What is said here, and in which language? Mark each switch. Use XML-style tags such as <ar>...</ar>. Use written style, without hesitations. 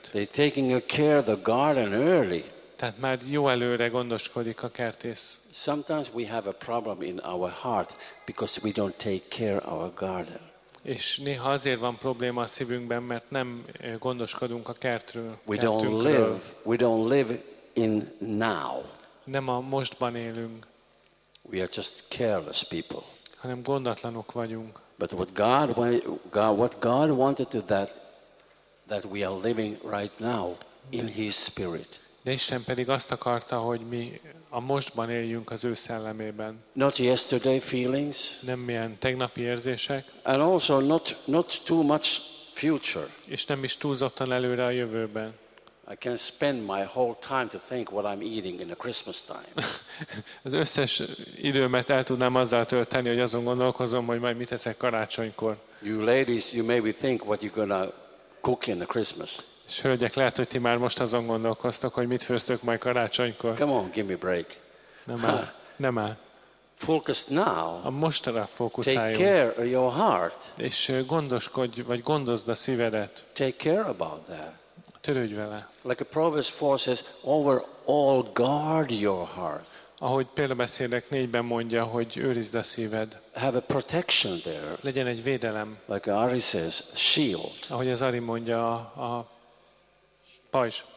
<en>They taking a care of the garden early.</en> <hu>Tehát már jó előre gondoskodik a kertész.</hu> <en>Sometimes we have a problem in our heart because we don't take care of our garden.</en> <hu>És néha azért van probléma a szívünkben, mert nem gondoskodunk a kertről.</hu> <en>We don't live in now.</en> <hu>Nem a mostban élünk.</hu> <en>We are just careless people.</en> <hu>Hanem gondatlanok vagyunk.</hu> <en>But what God wanted to that we are living right now in His Spirit.</en> <hu>De Isten pedig azt akarta, hogy mi a mostban éljünk az ő szellemében.</hu> <en>Not yesterday feelings.</en> <hu>Nem ilyen tegnapi érzések.</hu> <en>And also not too much future.</en> <hu>És nem is túlzottan előre a jövőben.</hu> <en>I can spend my whole time to think what I'm eating in a Christmas time.</en> <hu>Az összes időmet el tudnám azzal tölteni, hogy azon gondolkozom, hogy majd mit eszek karácsonykor.</hu> <en>You ladies, you maybe think what you're gonna cook in a Christmas.</en> <hu>És hölgyek, lehet, hogy ti már most azon gondolkoztok, hogy mit főztök majd karácsonykor.</hu> <en>Come on, give me a break.</en> <hu>Nem áll. Nem áll.</hu> <en>Focus now.</en> <hu>A mostra fókuszáljunk.</hu> <en>Take care of your heart.</en> <hu>És gondoskodj, vagy gondozd a szívedet.</hu> <en>Take care about that.</en> <hu>Törődj vele.</hu> <en>Like a Proverbs 4 says, over all guard your heart.</en> <hu>Ahogy Példabeszélek 4-ben mondja, hogy őrizd a szíved.</hu> <en>Have a protection there.</en> <hu>Legyen egy védelem.</hu> <en>Like Ari says, shield.</en> <hu>Ahogy az Ari mondja, a pajzs.</hu>